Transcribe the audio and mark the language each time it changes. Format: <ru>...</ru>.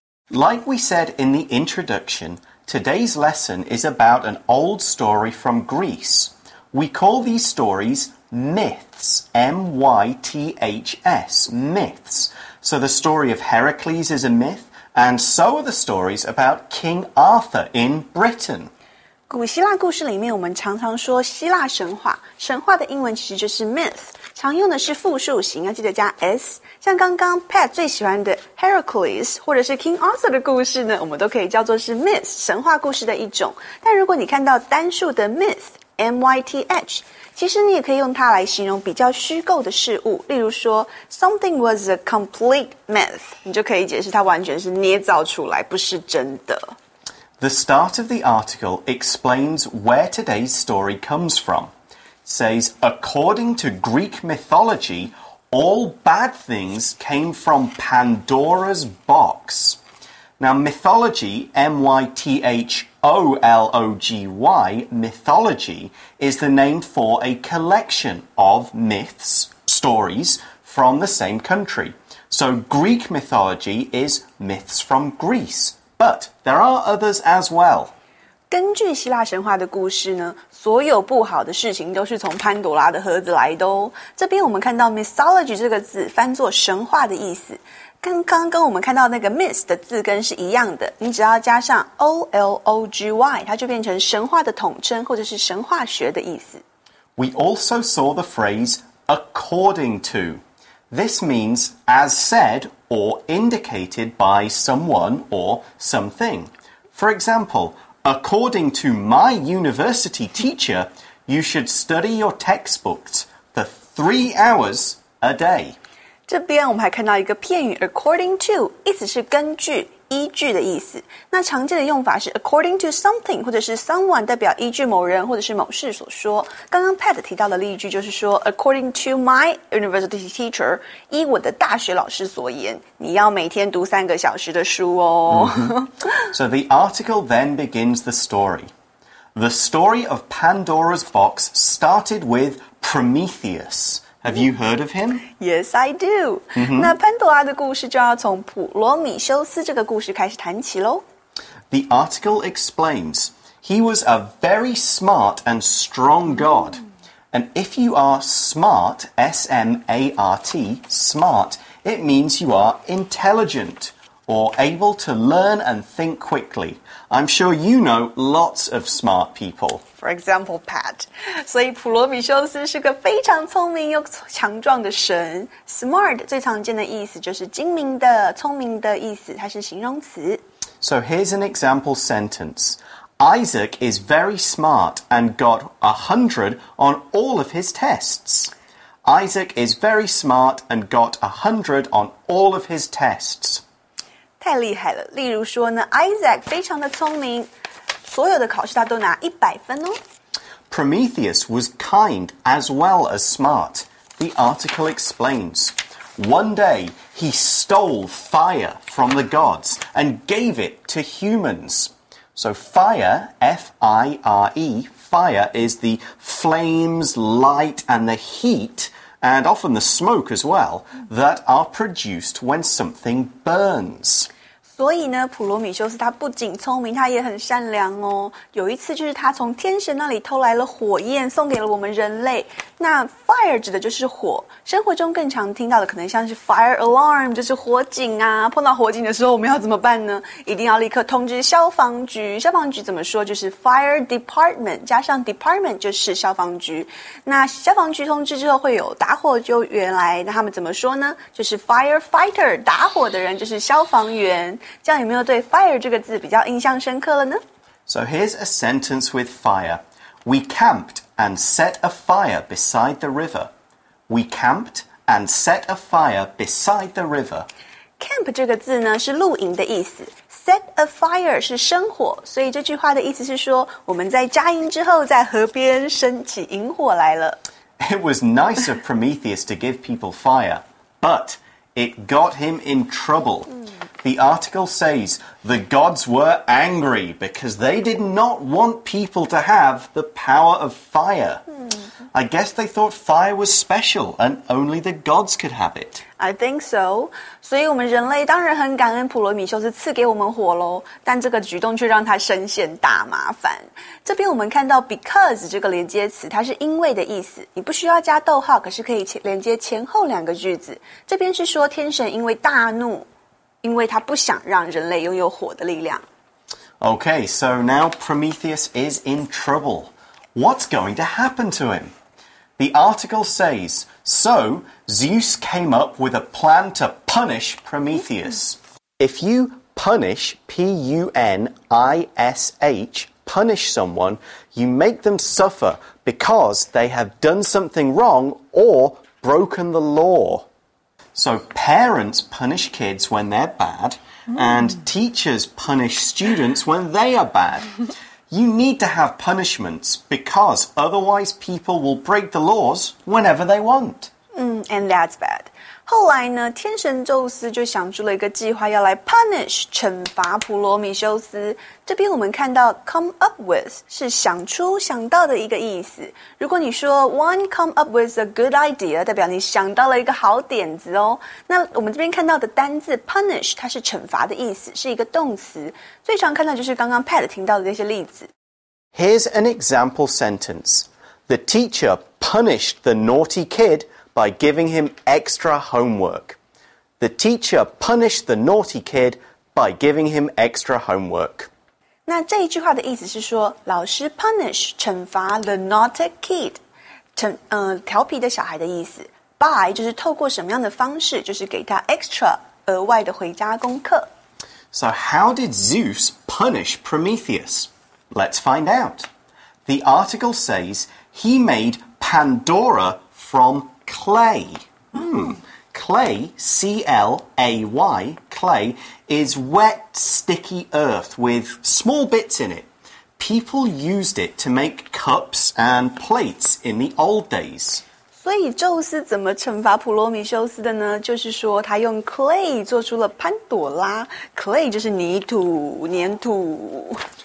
<en>Like we said in the introduction, today's lesson is about an old story from Greece. We call these stories myths, M-Y-T-H-S, myths. So the story of Heracles is a myth, and so are the stories about King Arthur in Britain.</en> <zh>古希腊故事里面我们常常说希腊神话神话的英文其实就是 myth 常用的是复数型要记得加 s 像刚刚 Pat 最喜欢的 Heracles 或者是 King Arthur 的故事呢我们都可以叫做是 myth 神话故事的一种但如果你看到单数的 myth M-Y-T-H 其实你也可以用它来形容比较虚构的事物例如说</zh> <en>something was a complete myth</en> <zh>你就可以解释它完全是捏造出来不是真的</zh> <en>The start of the article explains where today's story comes from. It says, according to Greek mythology, all bad things came from Pandora's box. Now, mythology, M-Y-T-H-O-L-O-G-Y, mythology is the name for a collection of myths, stories, from the same country. So, Greek mythology is myths from Greece, but there are others as well.</en> <zh>根据希腊神话的故事呢，所有不好的事情都是从潘多拉的盒子来的哦。这边我们看到 mythology 这个字翻作神话的意思，刚刚跟我们看到那个 myth 的字根是一样的，你只要加上 O-L-O-G-Y， 它就变成神话的统称或者是神话学的意思。</zh> <en>We also saw the phrase according to. This means as said or indicated by someone or something. For example,According to my university teacher, you should study your textbooks for 3 hours a day.</en> <zh>这边我们还看到一个片语 according to, 意思是根据、依据的意思。那常见的用法是 according to something 或者是 someone 代表依据某人或者是某事所说。刚刚 Pat 提到的例句就是说</zh> <en>according to my university teacher,</en> <zh>依我的大学老师所言，你要每天读三个小时的书哦。</zh> <en>So the article then begins the story. The story of Pandora's box started with Prometheus. Have you heard of him? Yes, I do.、Mm-hmm.</en> <zh>那潘多拉的故事就要从普罗米修斯这个故事开始谈起咯。</zh> <en>The article explains, he was a very smart and strong god.、Mm. And if you are smart, S-M-A-R-T, smart, it means you are intelligent. Or able to learn and think quickly. I'm sure you know lots of smart people. For example, Pat.</en> <zh>所以普罗米修斯是个非常聪明又强壮的神。 Smart 最常见的意思就是精明的、聪明的意思，它是形容词。</zh> <en>So here's an example sentence. Isaac is very smart and got 100 on all of his tests. Isaac is very smart and got 100 on all of his tests.</en> <zh>太厉害了，例如说呢 ,Isaac 非常的聪明，所有的考试他都拿100分哦。</zh> <en>Prometheus was kind as well as smart, the article explains. One day, he stole fire from the gods and gave it to humans. So fire, F-I-R-E, fire is the flames, light and the heat, and often the smoke as well, that are produced when something burns.</en> <zh>所以呢，普罗米修斯他不仅聪明，他也很善良哦。有一次就是他从天神那里偷来了火焰，送给了我们人类。那 fire 指的就是火，生活中更常听到的可能像是 fire alarm， 就是火警啊。碰到火警的时候，我们要怎么办呢？一定要立刻通知消防局。消防局怎么说？就是 fire department 加上 department 就是消防局。那消防局通知之后会有打火救援来，那他们怎么说呢？就是 firefighter 打火的人就是消防员。这样有没有对 fire 这个字比较印象深刻了呢？</zh> <en>So here's a sentence with fire. We camped and set a fire beside the river. We camped and set a fire beside the river.</en> <zh>Camp 这个字呢是露营的意思，</zh> <en>set a fire</en> <zh>是生火，所以这句话的意思是说我们在扎营之后在河边升起萤火来了。</zh> <en>It was nice of Prometheus to give people fire, but it got him in trouble. The article says the gods were angry because they did not want people to have the power of fire. I guess they thought fire was special and only the gods could have it. I think so.</en> <zh>所以我们人类当然很感恩普罗米修斯赐给我们火咯，但这个举动却让他深陷大麻烦。这边我们看到 because 这个连接词，它是因为的意思，你不需要加逗号，可是可以连接前后两个句子。这边是说天神因为大怒，因为他不想让人类拥有火的力量。</zh> <en>Okay, so now Prometheus is in trouble. What's going to happen to him? The article says, so Zeus came up with a plan to punish Prometheus. If you punish, P-U-N-I-S-H, punish someone, you make them suffer because they have done something wrong or broken the law. So parents punish kids when they're bad, and teachers punish students when they are bad. You need to have punishments, because otherwise people will break the laws whenever they want. And that's bad.</en> <zh>后来呢，天神宙斯就想出了一个计划，要来 punish 惩罚普罗米修斯。这边我们看到 come up with 是想出想到的一个意思。如果你说</zh> <en>one come up with a good idea，</en> <zh>代表你想到了一个好点子哦。那我们这边看到的单字 punish， 它是惩罚的意思，是一个动词。最常看到就是刚刚 Pat 听到的那些例子。</zh> <en>Here's an example sentence. The teacher punished the naughty kid by giving him extra homework. The teacher punished the naughty kid by giving him extra homework.</en> <zh>那这一句话的意思是说，老师 punish 惩罚</zh> <en>the naughty kid，</en> <zh>调皮的小孩的意思。 By 就是透过什么样的方式，就是给他 extra 额外的回家功课。</zh> <en>So how did Zeus punish Prometheus? Let's find out. The article says he made Pandora from clay. Clay, C-L-A-Y, clay, is wet, sticky earth with small bits in it. People used it to make cups and plates in the old days.</en> <zh>所以宙斯怎么惩罚普罗米修斯的呢？就是说他用 clay 做出了潘朵拉。 Clay 就是泥土，粘土。</zh>